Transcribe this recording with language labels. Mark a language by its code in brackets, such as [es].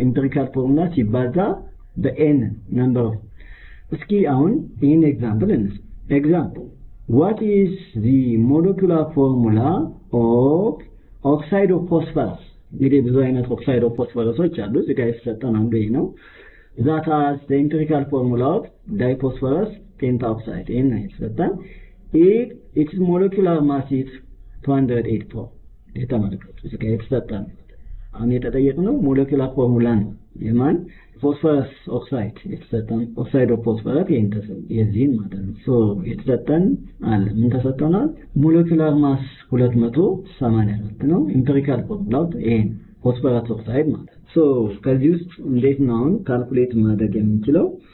[en] ኢምፒሪካል ፎርሙላ [am] ሲባዛ በኤን [en] ነምበር ኦፍ [am] እስኪ አሁን ይህን [en] ኤግዛምፕል እንስ ኤግዛምፕል What is the molecular formula of oxide of phosphorus? [am] እንግዲህ ብዙ አይነት ኦክሳይድ ኦፍ ፎስፈረሶች አሉ። እዚህ ጋር የተሰጠን አንዱ ይሄ ነው። [en] That is the empirical formula of diphosphorus pentoxide. [am] ይሄን ነው የተሰጠን። [en] Its molecular mass is 284. [am] ይሄ ተመልከቱ። እዚህ ጋር የተሰጠን አሁን የተጠየቅነው ሞለኪላር ፎርሙላ ነው። የማን ፎስፈረስ ኦክሳይድ የተሰጠን ኦክሳይድ ኦፍ ፎስፈረስ የዚህን ማለት ነው። ሶ የተሰጠን አለ ምን ተሰጠናል? ሞለኪላር ማስ 284 ነው። ኢምፒሪካል ፎርሙላው ይሄን ፎስፈረስ ኦክሳይድ ማለት ነው። ሶ ከዚህ ውስጥ እንዴት ነው አሁን ካልኩሌት ማድረግ የምንችለው?